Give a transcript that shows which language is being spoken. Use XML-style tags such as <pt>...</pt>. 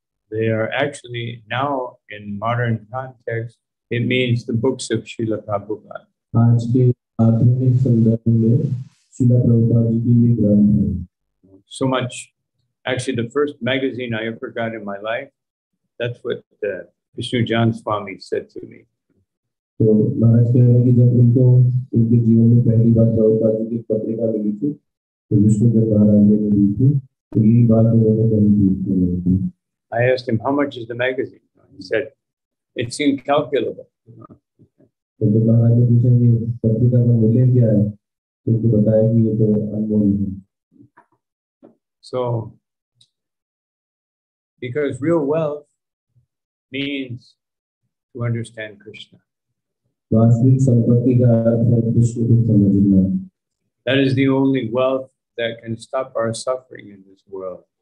<en>They are actually now in modern context, it means the books of Srila Prabhupada. So much. Actually, the first magazine I ever got in my life, that's what the Vishnu Jan Swami said to me. So, Maharaj</en> <hi>कह रहे हैं कि जब इनको इनके जीवन में पहली बार प्रभुपाद जी की पत्रिका मिली थी तो विष्णु जब महाराज ने मिली थी तो यही बात उन्होंने कही थी उनको मिली थी</hi> <en>I asked him, how much is the magazine? He said, it's incalculable.</en> <hi>तो जब महाराज ने पूछा कि पत्रिका का मूल्य क्या है तो उनको बताया कि ये तो अनमोल है</hi> <en>So, because real wealth means to understand Krishna. That is the only wealth that can stop our suffering in this world.</en>